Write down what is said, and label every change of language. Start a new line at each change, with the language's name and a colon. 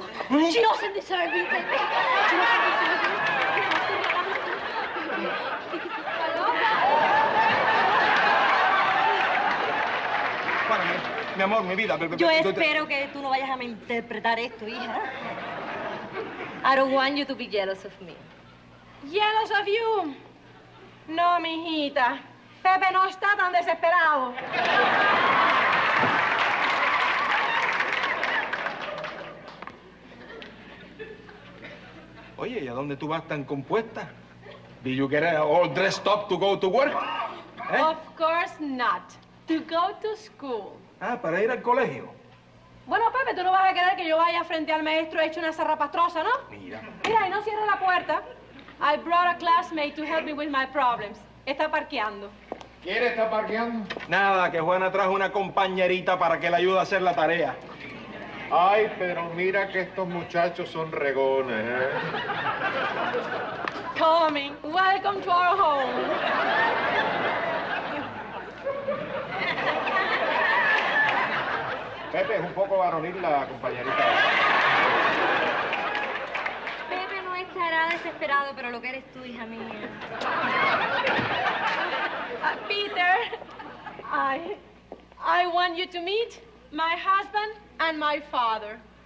English: ¿Eh? She doesn't deserve it, Pepe. She doesn't deserve it.
Spanish: Mi amor, mi vida, pero... Yo espero que tú no vayas a malinterpretar esto, hija.
English: I don't want you to be jealous of me. ¿Jealous of you?
Spanish: No, mi hijita. Pepe no está tan desesperado. Oye, ¿y a dónde tú vas tan compuesta?
English: ¿Did you get all dressed up to go to work? ¿Eh? Of course not. To go to school.
Spanish: Ah, ¿para ir al colegio? Bueno, Pepe, tú no vas a querer que yo vaya frente al maestro hecho una zarrapastrosa, ¿no? Mira. Mira, y no cierres la puerta.
English: I brought a classmate to help me with my problems.
Spanish: Está parqueando. ¿Quién está parqueando? Nada, que Juana trajo una compañerita para que le ayude a hacer la tarea. Ay, pero mira que estos muchachos son regones, ¿eh?
English: Coming. Welcome to our home.
Spanish: Pepe, es un poco varonil la compañerita. Pepe no estará desesperado, pero lo que eres tú, hija mía.
English: Peter, I want you to meet my husband and my father.